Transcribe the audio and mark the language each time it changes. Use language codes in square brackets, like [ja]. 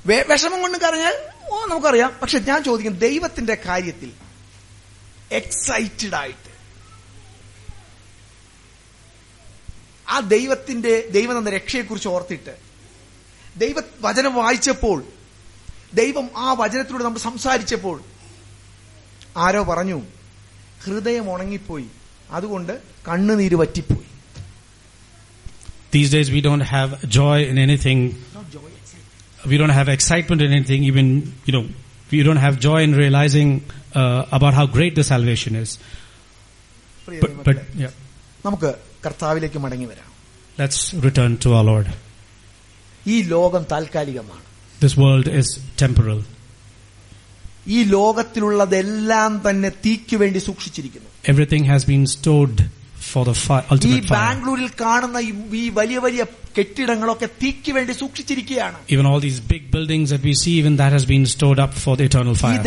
[ml] വിഷമം കൊണ്ട് കരഞ്ഞാൽ ഓ നമുക്കറിയാം. പക്ഷെ ഞാൻ ചോദിക്കും, ദൈവത്തിന്റെ കാര്യത്തിൽ എക്സൈറ്റഡ് ആയിട്ട് ആ ദൈവത്തിന്റെ, ദൈവം തന്ന രക്ഷയെക്കുറിച്ച് ഓർത്തിട്ട്, ദൈവ വചനം വായിച്ചപ്പോൾ, ദൈവം ആ വചനത്തിലൂടെ നമ്മൾ സംസാരിച്ചപ്പോൾ, ആരോ പറഞ്ഞു ഹൃദയം ഉണങ്ങിപ്പോയി, അതുകൊണ്ട് കണ്ണുനീര് വറ്റിപ്പോയി. [en] These days we don't have joy in anything. We don't have excitement in anything, even, you know, we don't have joy in realizing about how great the salvation is. But yeah, [ml] നമുക്ക് കർത്താവിലേക്ക് മടങ്ങി വരാം. [en] Let's return to our Lord. [ml] ഈ ലോകം താൽക്കാലികമാണ്. [en] This world is temporal. [ml] ഈ ലോകത്തിലുള്ളതെല്ലാം തന്നെ തീയ്ക്ക് വേണ്ടി സൂക്ഷിച്ചിരിക്കുന്നു. [en] Everything has been stored for the ultimate fire. [ml] ഈ ബാംഗ്ലൂരിൽ കാണുന്ന ഈ വലിയ വലിയ കെട്ടിടങ്ങളൊക്കെ തീയ്ക്ക് വേണ്ടി സൂക്ഷിച്ചിരിക്കുകയാണ്. [en] Even all these big buildings that we see, even that has been stored up for the eternal fire.